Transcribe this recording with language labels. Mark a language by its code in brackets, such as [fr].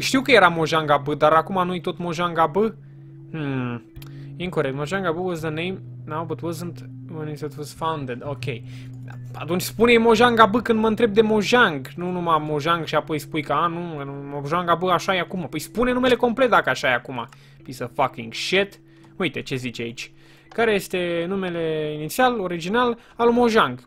[ro] Știu că era Mojanga B, dar acum nu-i tot Mojanga B? [en] Incorrect. Mojanga B was the name now, but wasn't when it was founded. Ok. [ro] Atunci spune-i Mojanga B când mă întreb de Mojang, nu numai Mojang și apoi spui că, a, nu, Mojanga B așa e acum. Păi spune numele complet dacă așa e acum. [en] Piece of fucking shit. [ro] Uite ce zice aici. Care este numele inițial, original, al Mojang?